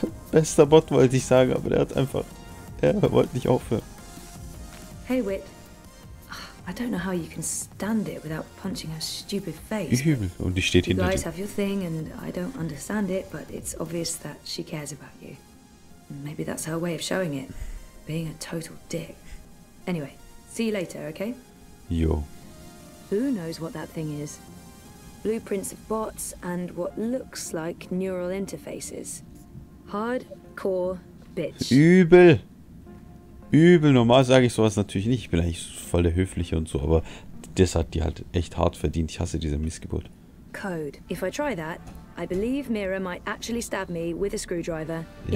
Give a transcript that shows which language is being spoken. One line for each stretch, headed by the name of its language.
German: Bester Bot wollte ich sagen, aber der hat einfach. Er wollte nicht aufhören.
English: Hey Wit. I don't know how you can stand it without punching her stupid face.
German: Übel. Und die steht hinter dir.
English: You guys have your thing and I don't understand it, but it's obvious that she cares about you. Maybe that's her way of showing it. Being a total dick. Anyway, see you later, okay?
German: Jo.
English: Who knows what that thing is? Blueprints of bots and what looks like neural interfaces. Hardcore bitch.
German: Übel. Übel. Normal sage ich sowas natürlich nicht. Ich bin eigentlich voll der Höfliche und so, aber das hat die halt echt hart verdient. Ich hasse diese Missgeburt.
English: Code. If I try that, I believe Mira might actually stab me with a screwdriver in